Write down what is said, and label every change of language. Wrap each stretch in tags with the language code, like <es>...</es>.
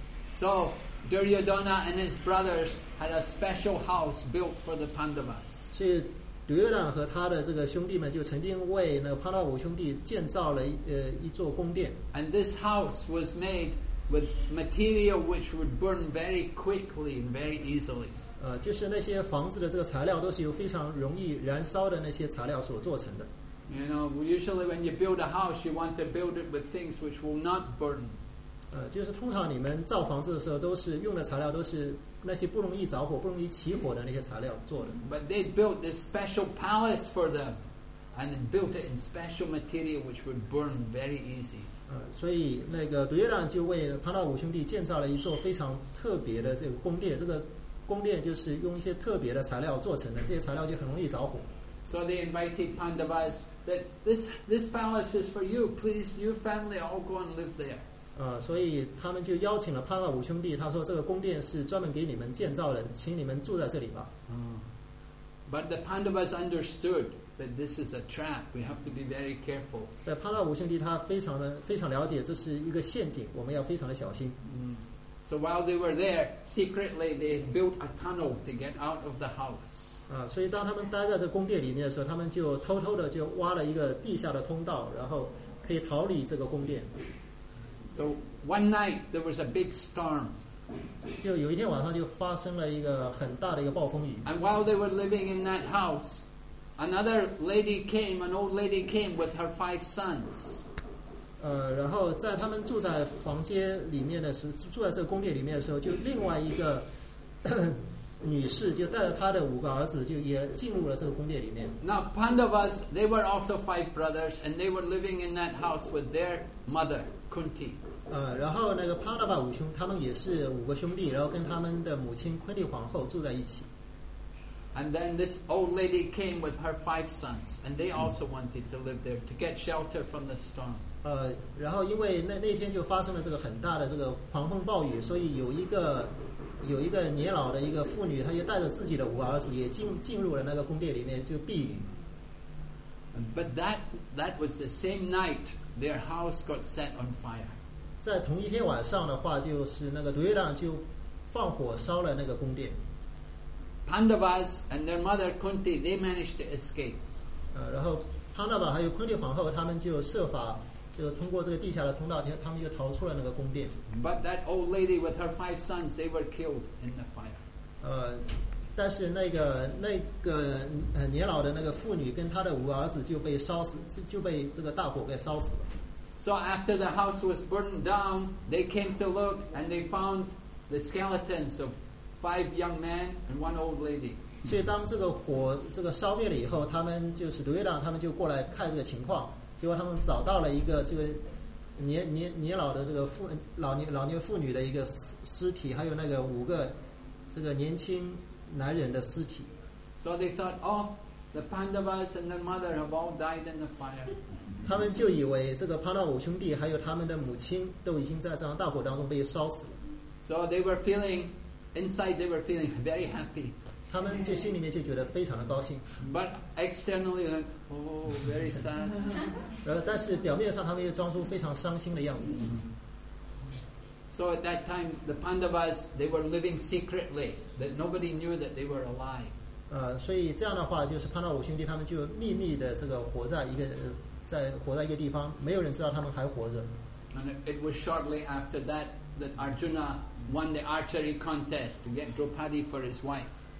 <en>So Duryodhana and his brothers had a special house built for the Pandavas.</en> <zh>所以杜月朗和他的这个兄弟们就曾经为那个潘道武兄弟建造了一座宫殿。</zh> <en>And this house was made with material which would burn very quickly and very easily.</en> <zh>就是那些房子的这个材料都是由非常容易燃烧的那些材料所做成的。</zh> <en>You know, usually when you build a house, you want to build it with things which will not burn.</en> <zh>就是通常你们造房子的时候都是用的材料都是那些不容易着火、不容易起火的那些材料做的。</zh> <en>But they built this special palace for them, and built it in special material which would burn very easy.</en> <zh>所以那个杜月朗就为潘道武兄弟建造了一座非常特别的这个宫殿，这个。宫殿就是用一些特别的材料做成的，这些材料就很容易着火。</zh> <en>So they invited Pandavas that this palace is for you. Please, your family all go and live there.</en> <zh>所以他们就邀请了潘道武兄弟，他说这个宫殿是专门给你们建造的，请你们住在这里吧。</zh> <en>But the Pandavas understood that this is a trap. We have to be very careful.</en> <zh>对，帕拉武兄弟他非常了解，这是一个陷阱，我们要非常的小心。嗯。</zh> <en>So while they were there, secretly they built a tunnel to get out of the house.</en> <zh>啊，所以当他们待在这宫殿里面的时候，他们就偷偷的就挖了一个地下的通道，然后可以逃离这个宫殿。</zh> <en>So one night there was a big storm.</en> <zh>就有一天晚上就发生了一个很大的一个暴风雨。</zh> <en>And while they were living in that house, another lady came, an old lady came with her 5 sons.</en> <zh>然后在他们住在房间里面的时候，住在这个宫殿里面的时候，就另外一个女士就带着她的五个儿子，就也进入了这个宫殿里面。</zh> <en>Now Pandavas, they were also 5 brothers, and they were living in that house with their mother. Kunti.</en> <zh>然后那个帕拉巴五兄他们也是五个兄弟，然后跟他们的母亲昆蒂皇后住在一起。</zh> <en>And then this old lady came with her 5 sons, and they also wanted to live there to get shelter from the storm.</en> <zh>然后因为那天就发生了这个很大的这个狂风暴雨，所以有一个年老的一个妇女，她就带着自己的五个儿子也进入了那个宫殿里面就避雨。</zh> <en>But that was the same night. Their house got set on fire.</en> <zh>在同一天晚上的话，就是那个卢约旦就放火烧了那个宫殿。</zh> <en>Pandavas and their mother Kunti, they managed to escape.</en> <zh>然后潘达瓦还有昆蒂皇后，他们就设法就通过这个地下的通道，他们就逃出了那个宫殿。</zh> <en>But that old lady with her 5 sons, they were killed in the fire.</en> <zh>但是那个年老的那个妇女跟她的五个儿子就被烧死，就被这个大火给烧死了。</zh> <en>So after the house was burned down, they came to look and they found the skeletons of 5 young men and 1 old lady.</en> <zh>所以当这个火这个烧灭了以后，他们就是卢月亮，他们就过来看这个情况，结果他们找到了一个这个年老的这个老年妇女的一个尸体，还有那个五个这个年轻。男人的尸体。</zh> <en>So they thought, oh, the Pandavas and their mother have all died in the fire.</en> <zh>他们就以为这个帕拉五兄弟还有他们的母亲都已经在这场大火当中被烧死了。</zh> <en>So they were feeling, inside they were feeling very happy.</en> <zh>他们就心里面就觉得非常的高兴。</zh> <en>But externally, like, oh, very sad.</en> <zh>但是表面上他们又装出非常伤心的样子。</zh> <en>So at that time, the Pandavas, they were living secretly, that nobody knew that they were alive.</en> <zh>所以这样的话，就是潘达五兄弟他们就秘密的这个活在一个地方，没有人知道他们还活着。</zh> <en>And it was shortly after that that Arjuna won the archery contest to get Draupadi for his wife.</en>